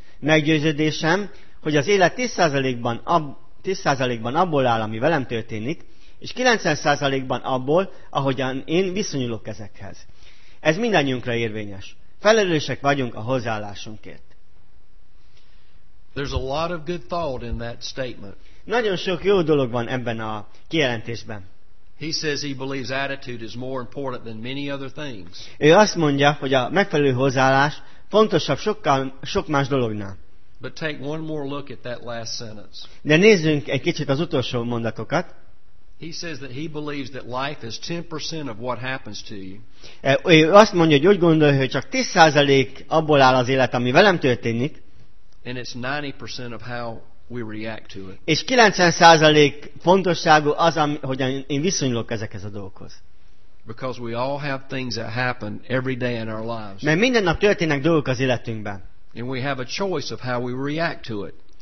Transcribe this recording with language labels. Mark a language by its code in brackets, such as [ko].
[hu] Meggyőződésem, hogy az élet 10%-ban abból áll, ami velem történik, és 90%-ban abból, ahogyan én viszonyulok ezekhez. Ez mindannyiunkra érvényes. Felelősek vagyunk a hozzáállásunkért. [en] There's a lot of good thought in that statement. [hu] Nagyon sok jó dolog van ebben a kijelentésben. [en] He says he believes attitude is more important than many other things. [hu] Ő azt mondja, hogy a megfelelő hozzáállás fontosabb sok más dolognál. [en] But take one more look at that last sentence. [hu] De nézzünk egy kicsit az utolsó mondatokat. [en] He says that he believes that life is 10% of what happens to you. [hu] Ő azt mondja, hogy úgy gondolja, hogy csak 10% abból áll az élet, ami velem történik. [en] And it's 90% of how we react to it. [hu] És 90% fontosságú az, hogyan én viszonyulok ezekhez a dolgokhoz. [en] Because we all have things that happen every day in our lives. [hu] Mert minden nap történnek dolgok az életünkben. [en] And we have a choice of how we react to it.